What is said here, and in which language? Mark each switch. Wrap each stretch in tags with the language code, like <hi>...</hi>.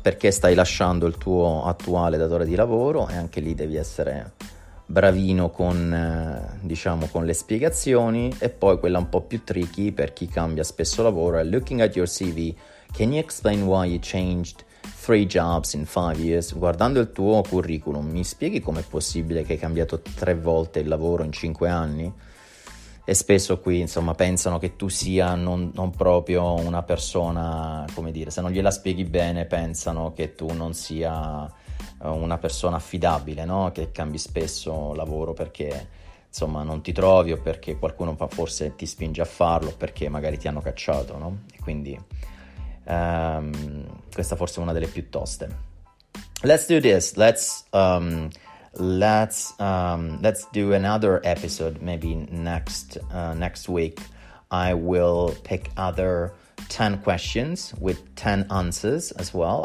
<it>Perché stai lasciando il tuo attuale datore di lavoro? E anche lì devi essere bravino con le spiegazioni. E poi quella un po' più tricky per chi cambia spesso lavoro.</it> <en>Looking at your CV, can you explain why you changed 3 jobs in 5 years?</en> <it>Guardando il tuo curriculum, mi spieghi com'è possibile che hai cambiato 3 volte il lavoro in 5 anni? E spesso qui insomma pensano che tu sia non proprio una persona, come dire, se non gliela spieghi bene pensano che tu non sia una persona affidabile, no? Che cambi spesso lavoro perché insomma non ti trovi, o perché qualcuno forse ti spinge a farlo, perché magari ti hanno cacciato, no? E quindi questa forse è una delle più toste.</it> <en>Let's do this, let's let's do another episode. Maybe next week I will pick other 10 questions with 10 answers as well.</en>